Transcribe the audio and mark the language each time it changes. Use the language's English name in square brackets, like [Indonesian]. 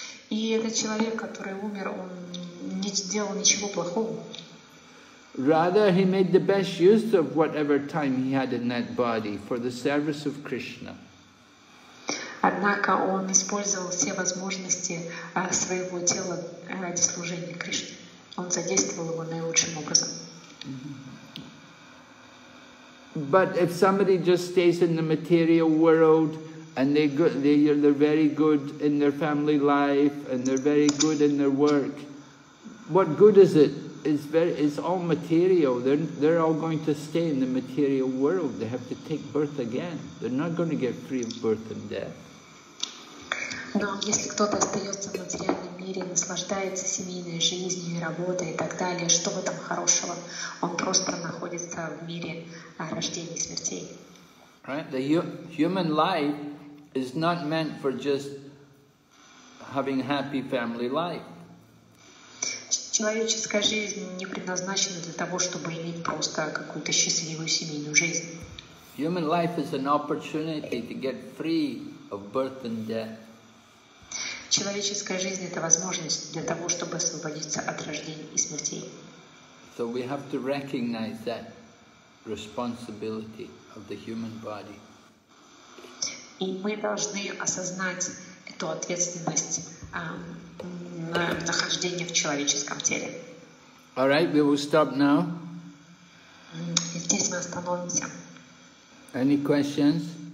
[Russian] И этот человек, который умер, он не сделал ничего плохого. [English] Rather, he made the best use of whatever time he had in that body for the service of Krishna. [Russian] Однако он использовал все возможности своего тела ради служения Кришне. Он задействовал его наилучшим образом. [English] But if somebody just stays in the material world and they're very good in their family life and they're very good in their work, what good is it is all material. They're all going to stay in the material world. They have to take birth again. They're not going to get free of birth and death. [Russian] Но если кто-то остается в материальном мире, наслаждается семейной жизнью и работой и так далее, что в этом хорошего? Он просто находится в мире рождения и смертей. [English] Right? The human life is not meant for just having a happy family life. [Russian] Человеческая жизнь не предназначена для того, чтобы иметь просто какую-то счастливую семейную жизнь. [English] Human life is an opportunity to get free of birth and death. [Russian] Человеческая жизнь — это возможность для того, чтобы освободиться от рождения и смертей. [English] So we have to recognize that responsibility of the human body. [Russian] И мы должны осознать эту ответственность на нахождение в человеческом теле. [English] All right, we will stop now. [Russian] Здесь мы остановимся. [English] Any questions?